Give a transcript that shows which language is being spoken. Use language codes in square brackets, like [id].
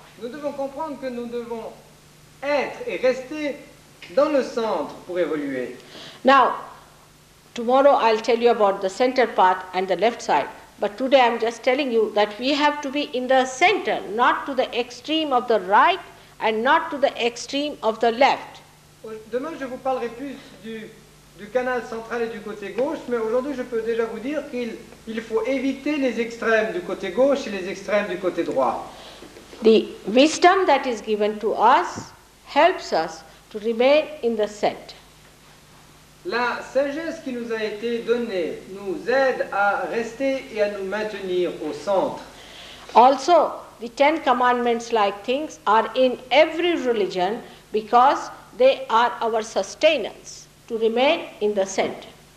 [fr] Nous devons comprendre que nous devons être et rester dans le centre pour évoluer. [en] Now, tomorrow I'll tell you about the center path and the left side. But today I'm just telling you that we have to be in the center, not to the extreme of the right and not to the extreme of the left. [fr] Demain je vous parlerai plus du canal central et du côté gauche, mais aujourd'hui je peux déjà vous dire qu'il faut éviter les extrêmes du côté gauche et les extrêmes du côté droit. [en] The wisdom that is given to us helps us to remain in the center. [fr] La sagesse qui nous a été donnée nous aide à rester et à nous maintenir au centre. [en] Also, the Ten Commandments-like things are in every religion because they are our sustenance to remain in the center.